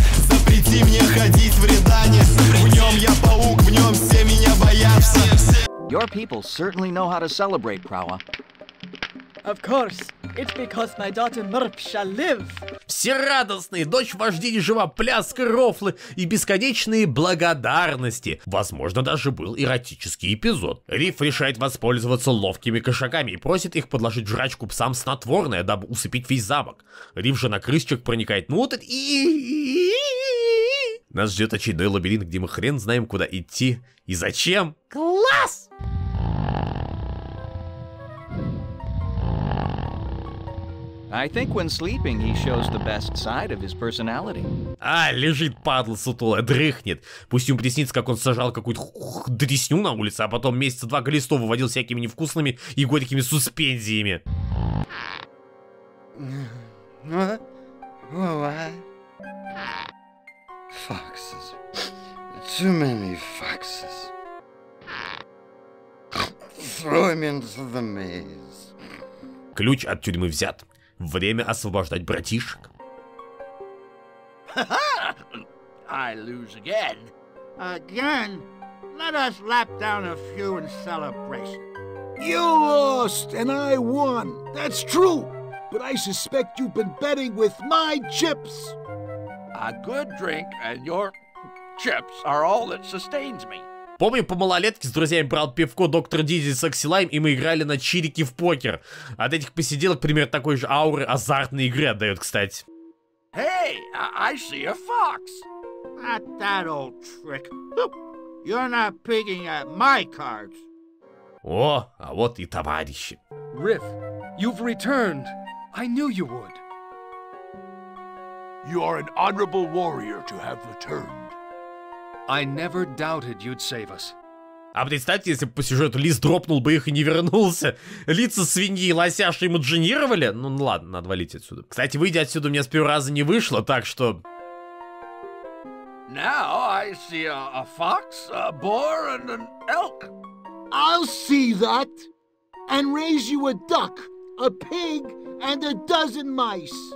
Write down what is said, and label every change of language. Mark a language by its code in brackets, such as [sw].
[ru] Запрети мне ходить в Риданис. В нем я паук, в нем все меня боятся. [en] Your people certainly know how to celebrate, Prawa. Of course. It's because my daughter Merp shall live. [ru] Все радостные, дочь вождини жива, пляска, рофлы и бесконечные благодарности. Возможно, даже был эротический эпизод. Риф решает воспользоваться ловкими кошаками и просит их подложить жрачку псам снотворное, дабы усыпить весь замок. Риф же на крысчах проникает внутрь и... Нас ждет очередной лабиринт, где мы хрен знаем, куда идти и зачем. Класс! [en] I think when sleeping, he shows the best side of his personality. [ru] А, лежит падла сутулая, дрыхнет. Пусть ему приснится, как он сажал какую-то дресню на улице, а потом месяца два глисто выводил всякими невкусными и горькими суспензиями. [en] Foxes. Too many foxes. Throw him into the maze. [ru] Ключ от тюрьмы взят. Время освобождать братишек. [en] I lose again. Again? Let us lap down a few in celebration. You lost and I won. That's true. But I suspect you've been betting with my chips. A good drink and your chips are all that sustains me. [ru] Помню, по малолетке с друзьями брал пивко Доктор Дизель с Оксилайм, и мы играли на чирике в покер. От этих посиделок пример такой же ауры азартной игры отдает, кстати. [en] Hey, I see a fox. Not that old trick. You're not picking at my cards. [ru] О, а вот и товарищи. [en] Riff, you've returned. I knew you would. You are an honorable warrior to have returned. I never doubted you'd save us. [ru] А представьте, если бы по сюжету лис дропнул бы их и не вернулся. Лица свиньи и лосяши имаджинировали? Ну ладно, надо валить отсюда. Кстати, выйдя отсюда у меня с первого раза не вышло, так что... [en] Now I see a fox, a boar, and an elk. I'll see that, and raise you a duck, a pig, and a dozen mice.